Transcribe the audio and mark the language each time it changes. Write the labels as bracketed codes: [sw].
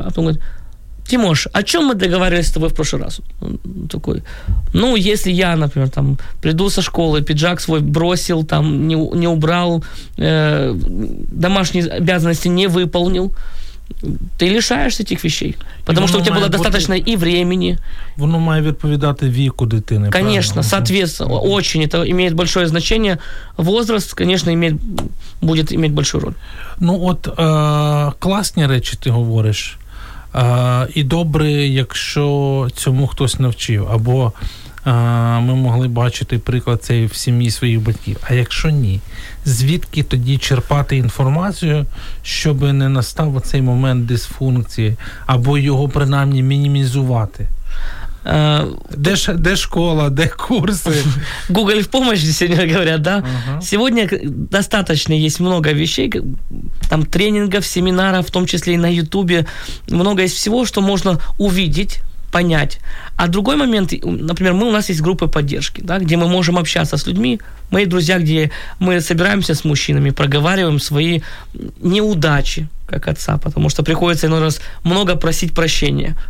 [ru] А потом говорит, Тимош, о чем мы договаривались с тобой в прошлый раз? Он такой, ну, если я, например, там, приду со школы, пиджак свой бросил, там, не убрал, домашние обязанности не выполнил, ты лишаешься этих вещей. Потому что у тебя было достаточно и времени. [uk] Воно має відповідати віку дитини. [ru] Конечно, правильно? Соответственно, очень. Это имеет большое значение. Возраст, конечно, будет иметь большую роль. [uk] Ну от, класні речі ти говориш. І добре, якщо цьому хтось навчив. Або ми могли бачити приклад цей в сім'ї своїх батьків. А якщо ні, звідки тоді черпати інформацію, щоб не настав оцей момент дисфункції, або його принаймні мінімізувати? Де школа, де курсы? [ru] Google в помощь, сегодня говорят, да? Сегодня достаточно есть много вещей, там тренингов, семинаров, в том числе и на Ютубе. Много есть всего, что можно увидеть, понять. А другой момент, например, у нас есть группы поддержки, да, где мы можем общаться с людьми, мои друзья, где мы собираемся с мужчинами, проговариваем свои неудачи, как отца, потому что приходится иной раз много просить прощения.